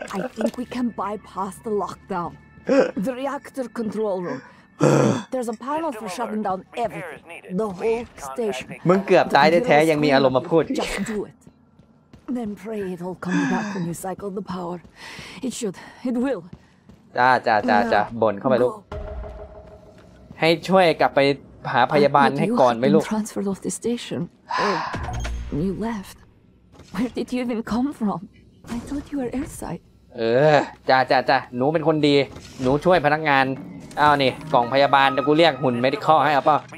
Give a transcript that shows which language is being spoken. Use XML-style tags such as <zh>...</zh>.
<en>I think we can bypass the lockdown. The reactor control room. There's a panel for shutting down everything. The whole station.</en> <th>มึงเกือบตายแท้ๆยังมีอารมณ์มาพูดอีก</th> <en>Just do it. Then pray it'll come back when you cycle the power. It should. It will.</en> <th>จ้าบ่นเข้าไปลูกให้ช่วยกลับไปหาพยาบาลให้ก่อนไหมลูก</th> <en>Transfer off the station. Oh, you left. Where did you even come from? I thought you were airside.</en> <th>จ้าหนูเป็นคนดีหนูช่วยพนักงานอ้าวนี่กล่องพยาบาลเดี๋ยวกูเรียกหุ่นเมดิคอลให้เอาป่ะ</th>